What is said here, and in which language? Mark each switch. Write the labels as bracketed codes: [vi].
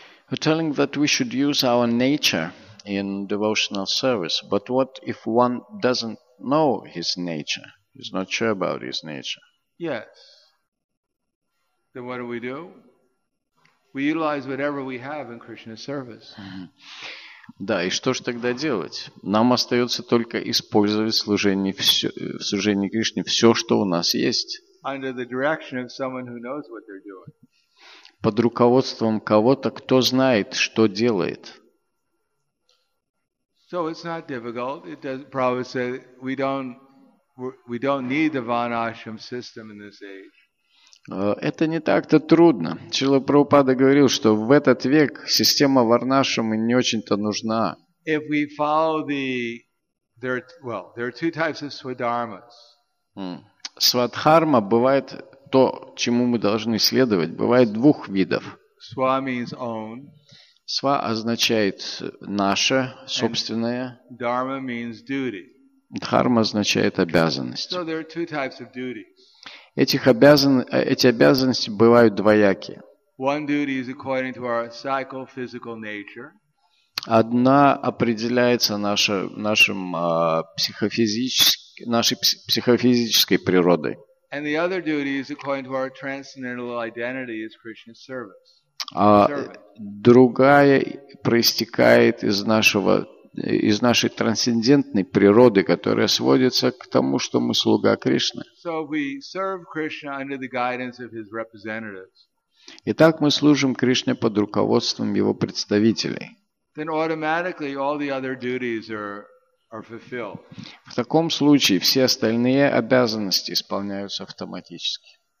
[en] We're telling that we should use our nature in devotional service, but what if one doesn't know his nature? He's not sure about his nature. Yes. Then what do? We utilize whatever we have in Krishna's service. [ru] Да, и что ж тогда делать? Нам остается только использовать в служении Кришне все, что у нас есть. [en] Under the direction of someone who knows what they're doing. [ru] Под руководством кого-то, кто знает, что делает. [en] So it's not difficult. It does Prabhupada said we don't need the Vanashram system in this age. [ru] Это не так-то трудно. Шрила Прабхупада говорил, что в этот век система Варнашрама не очень-то нужна. [en] If we follow there are two types of Swadharmas. [ru] Свадхарма бывает. То, чему мы должны следовать, бывает двух видов. [en] Sva means own. [ru] Sva означает наше, собственное. [en] And dharma means duty. [ru] Дхарма означает обязанность. [en] So there are two types of duties. [ru] Эти обязанности бывают двоякие. [en] One duty is according to our psycho-physical nature. [ru] Одна определяется нашей психофизической природой. [en] And the other duty is according to our transcendental identity as Krishna's service. [ru] Другая проистекает из нашей трансцендентной природы, которая сводится к тому, что мы слуга Кришны. [en] So we serve Krishna under the guidance of his representatives. [ru] Итак, мы служим Кришне под руководством его представителей. [en] Then automatically all the other duties are fulfilled. [ru] В таком случае все остальные обязанности исполняются автоматически.